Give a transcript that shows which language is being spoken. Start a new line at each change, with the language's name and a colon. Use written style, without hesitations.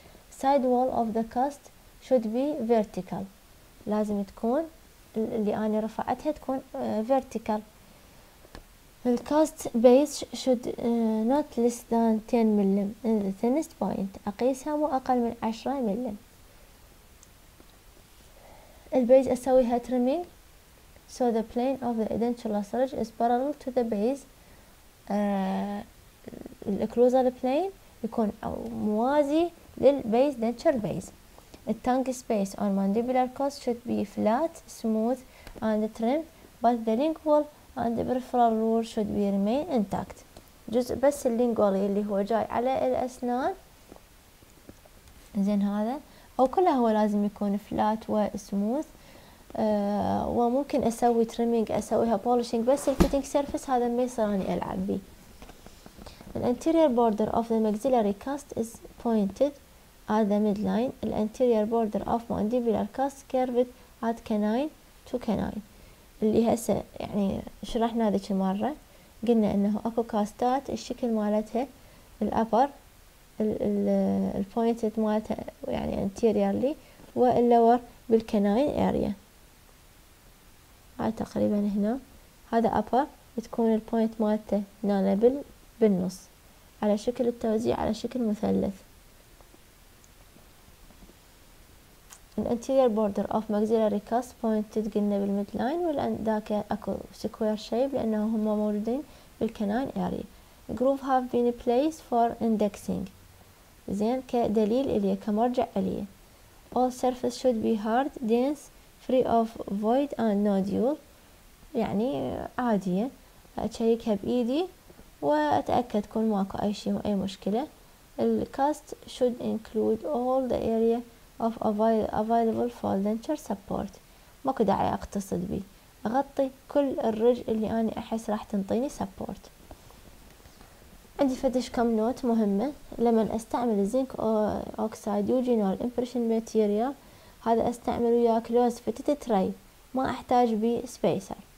English: side wall of the cast should be vertical،
Arabic: لازم تكون اللي أنا رفعتها تكون
English: vertical. The cast base should not less than 10 ملم in the thinnest point.
Arabic: أقيسها مو أقل من 10 ملم.
English: البيز أسويها trimming so the plane of the edentulous surge is parallel to the base.
Arabic: الاكلوزال بلين يكون موازي للبيز دنتشر بيز.
English: التانك space on mandibular cast should be flat smooth and trim بس the lingual and peripheral roll should be remain intact.
Arabic: جزء بس اللينجوال اللي هو جاي على الاسنان زين هذا او كله هو لازم يكون فلات وسموث. وممكن اسوي تريمينج اسويها بولشينج بس الفيتنج سيرفيس هذا ما يصير اني العب بيه.
English: The anterior border of the maxillary cast is pointed at the midline. The anterior border of mandibular cast curved at canine to canine.
Arabic: اللي هسه يعني شرحنا ذيك المرة قلنا انه اكو كاستات الشكل مالتها الابر ال pointed مالتها يعني anteriorly واللور بالكناين اريا. هاي تقريبا هنا هذا upper تكون البوينت مالته هنا بالنص على شكل التوزيع على شكل مثلث.
English: The anterior border of maxillary cusp pointed
Arabic: قلنا بالميد لاين والان ذاك اكو سكوير شيب لانه هم موجودين بالكناين اري.
English: Groove have been placed for indexing
Arabic: زين كدليل اليه كمرجع اليه.
English: All surface should be hard, dense, free of void and nodule
Arabic: يعني عادية. اشيكها بايدي واتأكد تكون ماكو اي شيء واي مشكلة.
English: الكاست should include all the area of available for denture support.
Arabic: ماكو داعي اقتصد بي اغطي كل الرج اللي اني احس راح تنطيني support. عندي فدش كم نوت مهمة. لما استعمل زنك اوكسايد يوجينال امبريشن ماتيريال هذا استعمل وياه كلوز فتت تري ما احتاج بي سبيسر.